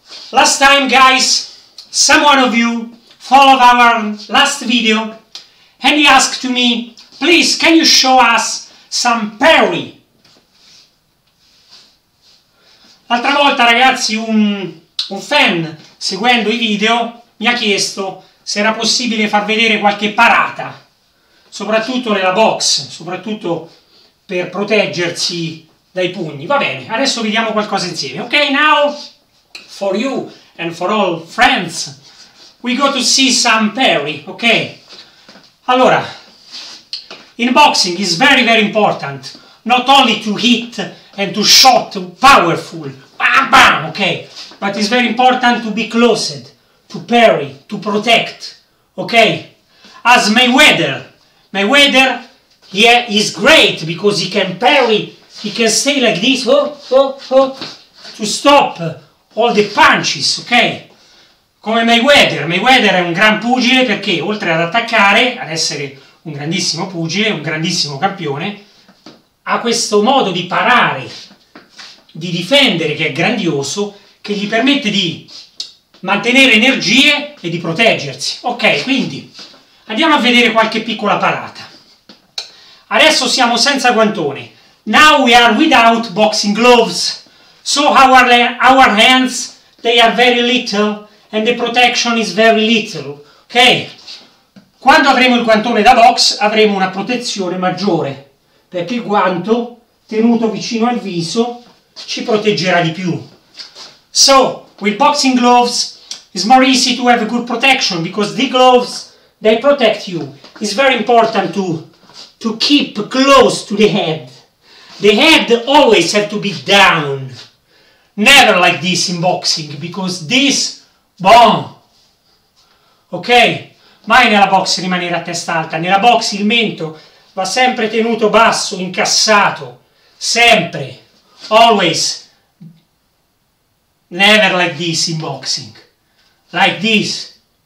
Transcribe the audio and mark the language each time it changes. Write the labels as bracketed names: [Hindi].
[English] Last time, guys, someone of you followed our last video and he asked to me, please, can you show us some parry? [Italian] L'altra volta, ragazzi, un fan, seguendo i video, mi ha chiesto se era possibile far vedere qualche parata, soprattutto nella box, soprattutto per proteggersi dai pugni. Va bene, adesso vediamo qualcosa insieme. [English] Ok, now for you and for all friends, we go to see some parry. Ok, allora, in boxing is very very important not only to hit and to shot powerful, bam bam, ok, but it's very important to be closed, to parry, to protect. Ok, as Mayweather, yeah, is great because he can parry. He can stay like this, to stop all the punches, ok? [Italian] Come Mayweather è un gran pugile perché oltre ad attaccare, ad essere un grandissimo pugile, un grandissimo campione, ha questo modo di parare, di difendere, che è grandioso, che gli permette di mantenere energie e di proteggersi. Ok, quindi andiamo a vedere qualche piccola parata. Adesso siamo senza guantoni. [English] Now we are without boxing gloves. So our hands, they are very little and the protection is very little. Ok? [Italian] Quando avremo il guantone da box, avremo una protezione maggiore, perché il guanto tenuto vicino al viso ci proteggerà di più. [English] So, with boxing gloves, it's more easy to have a good protection because the gloves, they protect you. It's very important to keep close to the head. The head always has to be down. Never like this in boxing, because this, boom! [Italian] Ok? Mai nella box rimanere a testa alta. Nella box il mento va sempre tenuto basso, incassato. Sempre. [English] Always. Never like this in boxing. Like this.